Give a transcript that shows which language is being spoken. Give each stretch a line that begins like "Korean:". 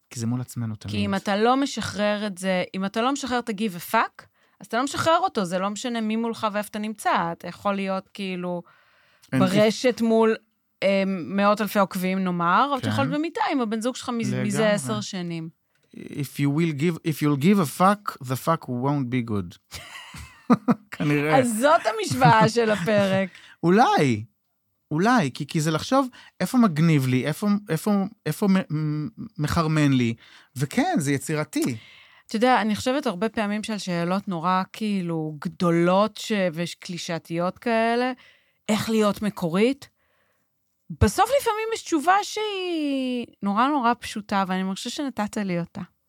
Hebrew: כי זה מול עצמנו תמיד. כי אם אתה לא משחרר את זה, אם אתה לא משחרר את הגיב ופאק, אז אתה לא משחרר אותו, זה לא משנה מי מולך ואיפה אתה נמצא, אתה יכול להיות כאילו ברשת מול מאות אלפי עוקבים נאמר, אבל אתה יכול להיות במיטה עם הבן זוג שלך מזה 10 שנים.
English: If you'll give a fuck, the fuck won't be good.
Hebrew: כנראה. אז זאת המשוואה של הפרק. אולי. אולי, כי זה לחשוב איפה מגניב לי, איפה מחרמן לי, וכן, זה יצירתי. אתה יודע, אני חושבת הרבה פעמים של שאלות נורא כאילו גדולות ושקלישתיות כאלה, איך להיות מקורית, בסוף לפעמים יש תשובה שהיא נורא נורא פשוטה, ואני חושבת שנתת לי אותה.